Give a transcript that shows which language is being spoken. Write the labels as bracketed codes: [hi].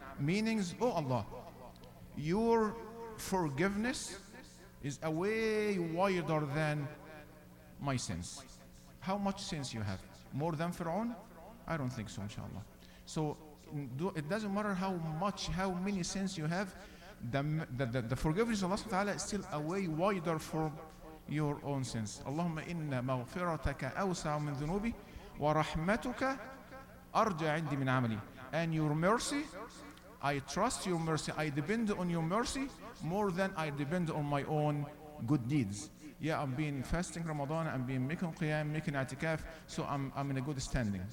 [en] Meanings, oh Allah, your forgiveness is a way wider than my sins. How much sins you have? More than Fir'aun? I don't think so, inshallah. So it doesn't matter how many sins you have, the forgiveness of Allah subhanahu wa ta'ala is still a way wider from your own sins. [ar] اللهم إن مغفرتك أوسع من ذنوبي ورحمتك أرجع عندي من عملي. [en] And your mercy, I trust your mercy, I depend on your mercy more than I depend on my own good deeds. Yeah, I've been fasting Ramadan, I've been making qiyam, making atikaf, so I'm in a good standing.